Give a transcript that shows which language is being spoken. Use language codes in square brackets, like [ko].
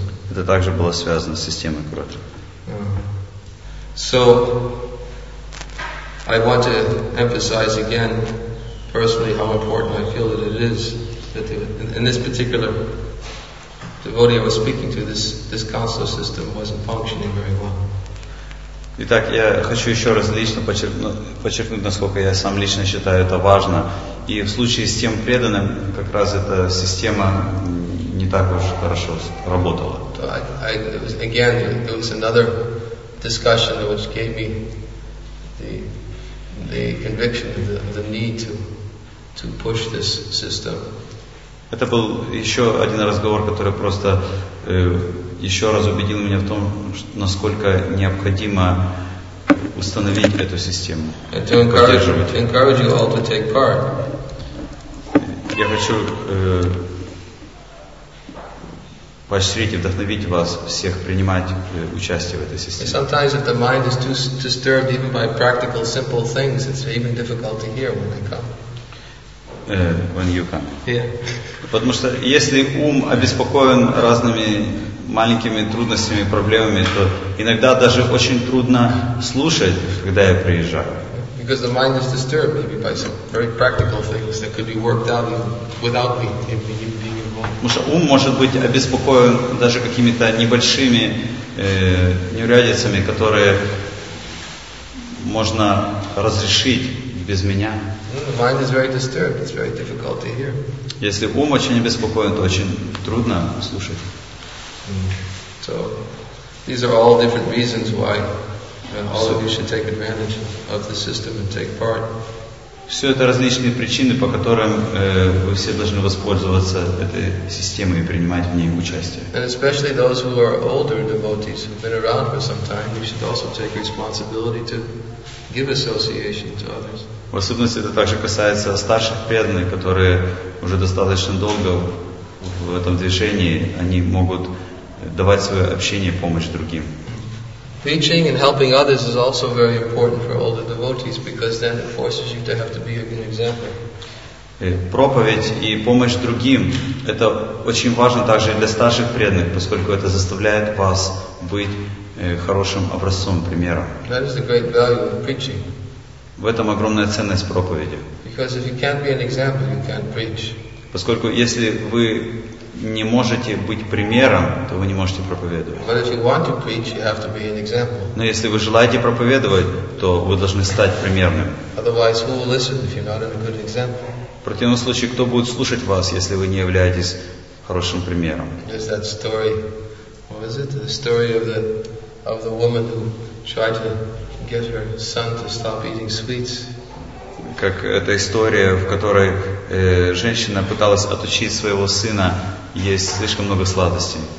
[ru] Это также было связано с системой Куратра. [en] So, I want to emphasize again, personally, how important I feel that it is that in this particular devotee I was speaking to, this counselor system wasn't functioning very well. [ru] Итак, я хочу еще раз лично подчеркнуть, насколько я сам лично считаю это важно. И в случае с тем преданным, как раз эта система не так уж хорошо работала. [en] Again, there was another discussion which gave me the conviction of the need to push this system. [ru] Это был еще один разговор, который просто еще раз убедил меня в том, насколько необходимо установить эту систему, поддерживать. [en] Encourage you all to take part. [ru] Я хочу поощрить и вдохновить вас всех принимать участие в этой системе. [en] Sometimes if the mind is too disturbed even by practical simple things, it's even difficult to hear when they come. When you come. Yeah. [ru] Потому что если ум обеспокоен разными маленькими трудностями, проблемами, то иногда даже очень трудно слушать, когда я приезжаю. [en] Because the mind is disturbed maybe by some very practical things that could be worked out without me being involved. [ru] Потому что ум может быть обеспокоен даже какими-то небольшими неурядицами, которые можно разрешить без меня. [en] The mind is very disturbed. It's very difficult to hear. [ru] Если ум очень обеспокоен, то очень трудно слушать. [en] So, these are all different reasons why all of you should take advantage of the system and take part. [ru] Все это различные причины, по которым вы все должны воспользоваться этой системой и принимать в ней участие. [en] And especially those who are older devotees who've been around for some time, you should also take responsibility to give association to others. [ru] В особенности это также касается старших преданных, которые уже достаточно долго в этом движении, они могут давать свое общение и помощь другим. [en] Preaching and helping others is also very important for older devotees because then it forces you to have to be a good example. [ru] Проповедь и помощь другим – это очень важно также для старших преданных, поскольку это заставляет вас быть хорошим образцом, примером. [en] That is the great value of preaching. [ru] В этом огромная ценность проповеди. [en] Because if you can't be an example, you can't preach. [ru] Поскольку если вы не можете быть примером, то вы не можете проповедовать. [en] But if you want to preach, you have to be an example. [ru] Но если вы желаете проповедовать, то вы должны стать примерным. [en] Otherwise, who will listen if you're not a good example? [ru] В противном случае, кто будет слушать вас, если вы не являетесь хорошим примером? [en] There's that story. What was it? The story of the woman who tried to get her son to stop eating sweets. [ru] Как эта история, в которой женщина пыталась отучить своего сына есть слишком много сладостей.